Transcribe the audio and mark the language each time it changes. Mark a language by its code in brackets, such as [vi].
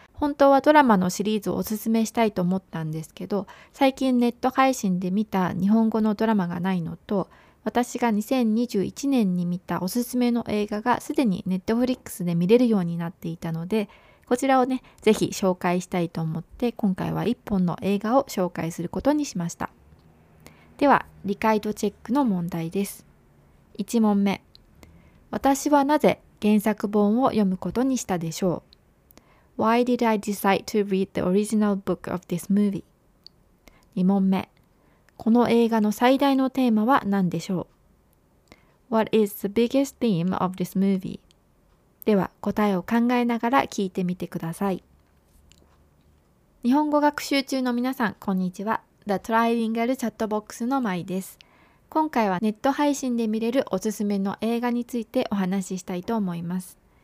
[ja] 本当はドラマのシリーズをおすすめしたいと思ったんですけど、最近ネット配信で見た日本語のドラマがないのと、私が2021年に見たおすすめの映画がすでに Netflix で見れるようになっていたので、こちらをね、ぜひ紹介したいと思って、今回は1本の映画を紹介することにしました。では、理解度チェックの問題です。1問目。私はなぜ原作本を読むことにしたでしょう? [en] Why did I decide to read the original book of this movie? [ja] 2問目。この映画の最大のテーマは何でしょう? [en] What is the biggest theme of this movie? [ja] では答えを考えながら聞いてみてください。日本語学習中の皆さん、こんにちは。 The Trilingual Chatbox のマイです。今回はネット配信で見れるおすすめの映画についてお話ししたいと思います。